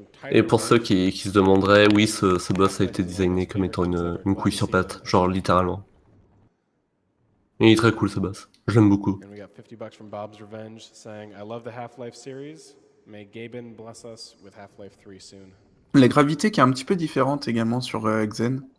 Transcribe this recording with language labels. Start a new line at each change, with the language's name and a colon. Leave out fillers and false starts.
French: Et pour ceux qui se demanderaient, oui, ce boss a été designé comme étant une couille sur patte, genre littéralement. Il est très cool ce boss, je l'aime beaucoup.
English: And we got 50 bucks from Bob's Revenge saying I love the Half-Life series. May Gaben bless us with Half-Life 3 soon.
French: La gravité qui est un petit peu différente également sur Xen.